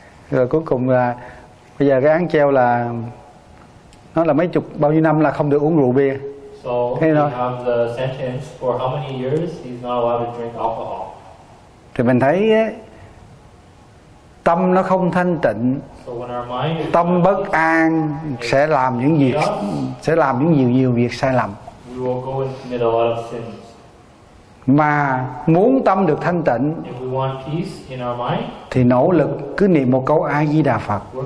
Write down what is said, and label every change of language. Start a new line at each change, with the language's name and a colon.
Vietnamese: Rồi cuối cùng là bây giờ cái án treo là nó là mấy chục bao nhiêu năm là không được uống rượu bia. So thế thôi.
English: Have the sentence for how many years he's not allowed to drink alcohol.
Vietnamese: Thì mình thấy tâm nó không thanh tịnh,
English: so when our mind is
Vietnamese: tâm bất an sẽ làm những việc us, sẽ làm những nhiều việc sai lầm.
English: We will go and commit a lot of sins.
Vietnamese: Mà muốn tâm được thanh tịnh
English: mind,
Vietnamese: thì nỗ lực cứ niệm một câu A Di Đà Phật.